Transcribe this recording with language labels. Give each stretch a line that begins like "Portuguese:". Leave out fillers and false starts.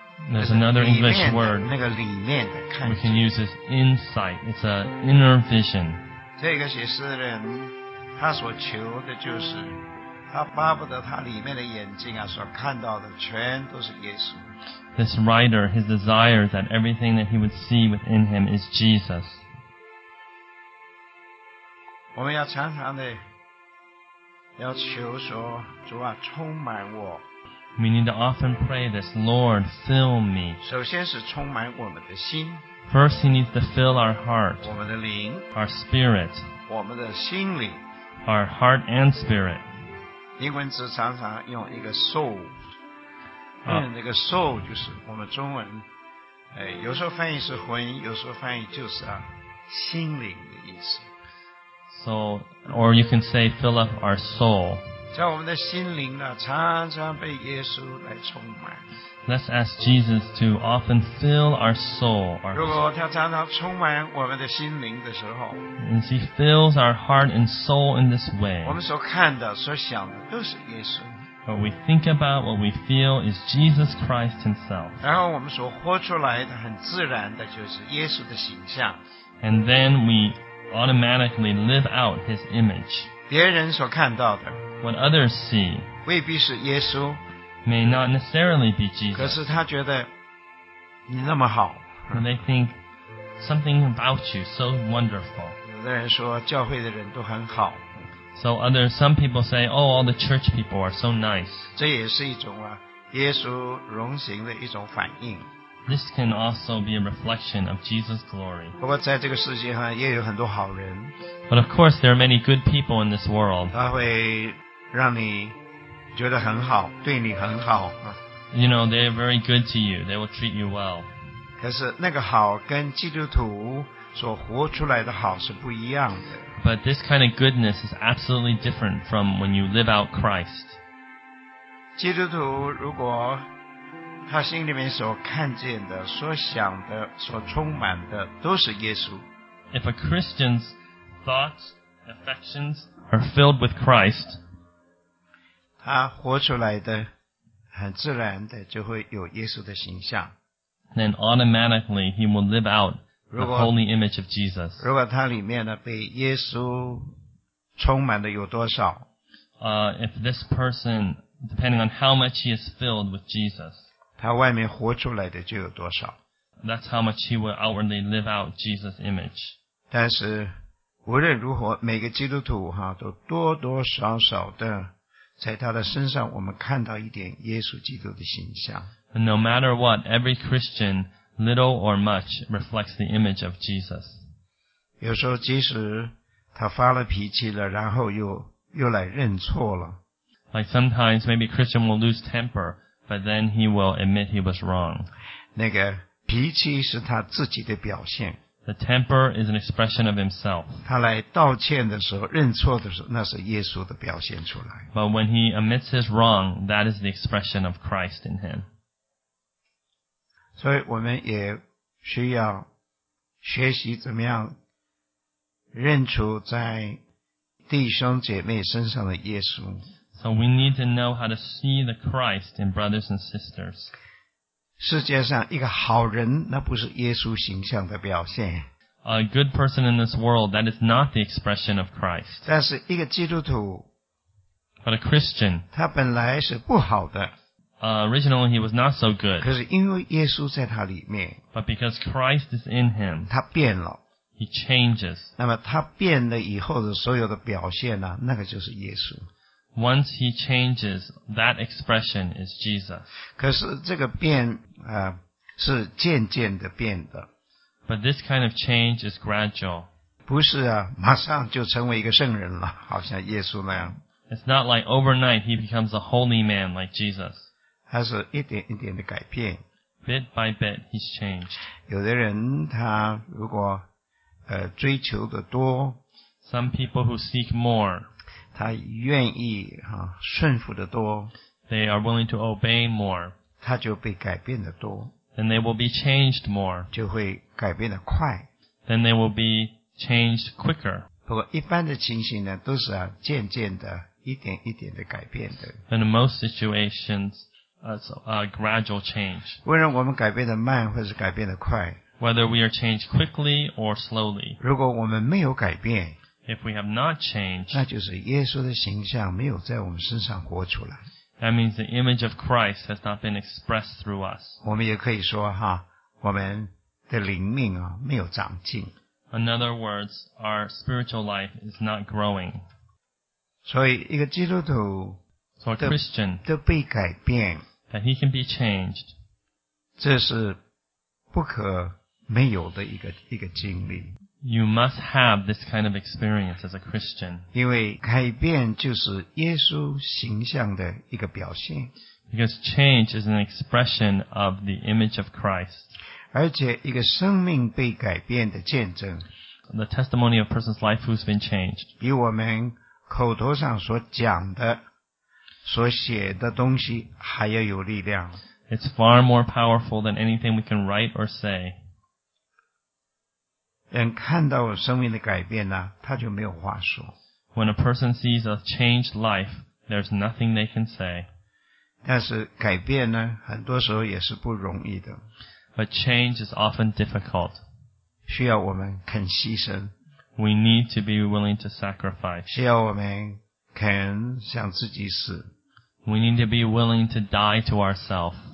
English: There's another English word we can use as insight. It's an inner vision.
Chinese: 这个写诗人他所求的就是他巴不得他里面的眼睛啊所看到的全都是耶稣。
English: This writer, his desire that everything that he would see within him is Jesus.
Chinese: 我们要常常的要求说主啊充满我。
English: We need to often pray this, Lord, fill me.
Chinese: 首先是充满我们的心。
English: First, he needs to fill our heart.
Chinese: 我们的灵。
English: Our spirit.
Chinese: 我们的心灵。
English: Our heart and spirit.
Chinese: 英文字常常用一个 soul. 那个 soul 就是我们中文，有时候翻译是魂，有时候翻译就是心灵的意思。
English: So, or you can say fill up our soul.
Chinese: 叫我们的心灵呢，常常被耶稣来充满。
English: Let's ask Jesus to often fill our soul.
Chinese: 如果他常常充满我们的心灵的时候
English: ，and he fills our heart and soul in this way.
Chinese: 我们所看的、所想的都是耶稣。
English: What we think about, what we feel, is Jesus Christ Himself.
Chinese: 然后我们所活出来的很自然的就是耶稣的形象。
English: And then we automatically live out His image.
Chinese: 别人所看到的。
English: What others see
Chinese: 未必是耶稣
English: may not necessarily be Jesus.
Chinese: 可是他觉得你那么好
English: And they think something about you so wonderful.
Chinese: 有的人说教会的人都很好
English: So others, some people say, oh, all the church people are so nice.
Chinese: 这也是一种耶稣荣行的一种反应
English: This can also be a reflection of Jesus' glory.
Chinese: 不过在这个世界上也有很多好人
English: But of course, there are many good people in this world.
Chinese: 他会让你觉得很好，对你很好。
English: You know, they are very good to you. They will treat you well.
Chinese: 可是那个好跟基督徒所活出来的好是不一样的。
English: But this kind of goodness is absolutely different from when you live out Christ.
Chinese: 基督徒如果他心里面所看见的、所想的、所充满的都是耶稣。
English: If a Christian's thoughts, affections are filled with Christ,
Chinese: 他活出来的很自然的就会有耶稣的形象。
English: Then automatically he will live out the holy image of Jesus.
Chinese: 如果他里面呢被耶稣充满的有多少
English: If this person, depending on how much he is filled with Jesus,
Chinese: 他外面活出来的就有多少
English: That's how much he will outwardly live out Jesus' image.
Chinese: 但是无论如何每个基督徒都多多少少的在他的身上我们看到一点耶稣基督的形象。
English: No matter what, every Christian, little or much, reflects the image of Jesus.
Chinese: 有时候即使他发了脾气了，然后又来认错了。
English: Like sometimes, maybe Christian will lose temper, but then he will admit he was wrong.
Chinese: 那个脾气是他自己的表现。
English: The temper is an expression of himself.
Chinese: 他来道歉的时候，认错的时候，那是耶稣的表现出来。
English: But when he admits his wrong, that is the expression of Christ in him.
Chinese: 所以我们也需要学习怎么样认出在弟兄姐妹身上的耶稣。
English: So we need to know how to see the Christ in brothers and sisters.
Chinese: 世界上一个好人，那不是耶稣形象的表现。
English: A good person in this world, that is not the expression of Christ.
Chinese: 但是一个基督徒，
English: But a Christian,
Chinese: 他本来是不好的。
English: Originally, he was not so good.
Chinese: 可是因为耶稣在他里面，
English: But because Christ is in him,
Chinese: 他变了。
English: He changes.
Chinese: 那么他变了以后的所有的表现呢，那个就是耶稣。
English: Once he changes, that expression is Jesus.
Chinese: 可是这个变是渐渐的变的。
English: But this kind of change is gradual.
Chinese: 不是啊，马上就成为一个圣人了，好像耶稣那样。
English: It's not like overnight he becomes a holy man like Jesus.
Chinese: 他是一点一点的改变。
English: Bit by bit, he's changed.
Chinese: 有的人他如果追求的多。
English: Some people who seek more.
Chinese: 他愿意啊顺服的多
English: ，They are willing to obey more，
Chinese: 他就被改变的多
English: ，Then they will be changed more，
Chinese: 就会改变的快
English: ，Then they will be changed quicker。
Chinese: 不过一般的情形呢，都是啊渐渐的，一点一点的改变的。
English: And in most situations, a gradual change。
Chinese: 无论我们改变的慢或是改变的快
English: ，Whether we are changed quickly or slowly，
Chinese: 如果我们没有改变。
English: If we have not changed,
Chinese: 那就是耶稣的形象没有在我们身上活出来。
English: That means the image of Christ has not been expressed through us.
Chinese: 我们也可以说哈，我们的灵命啊没有长进。
English: In other words, our spiritual life is not growing.
Chinese: 所以一个基督徒
English: ，So a Christian
Chinese: 都被改变
English: ，that he can be changed，
Chinese: 这是不可没有的一个经历。
English: You must have this kind of experience as a Christian.
Chinese: 因为改变就是耶稣形象的一个表现。
English: Because change is an expression of the image of Christ.
Chinese: 而且一个生命被改变的见证。
English: The testimony of a person's life who's been changed.
Chinese: 比我们口头上所讲的、所写的东西还要有力量。
English: It's far more powerful than anything we can write or say.
Chinese: 人看到生命的改变呢，他就没有话说。
English: When a person sees a changed life, there's nothing they can say.
Chinese: 但是改变呢，很多时候也是不容易的。
English: But change is often difficult.
Chinese: 需要我们肯牺牲。
English: We need to be willing to sacrifice.
Chinese: 需要我们肯向自己死。
English: We need to be willing to die to ourselves.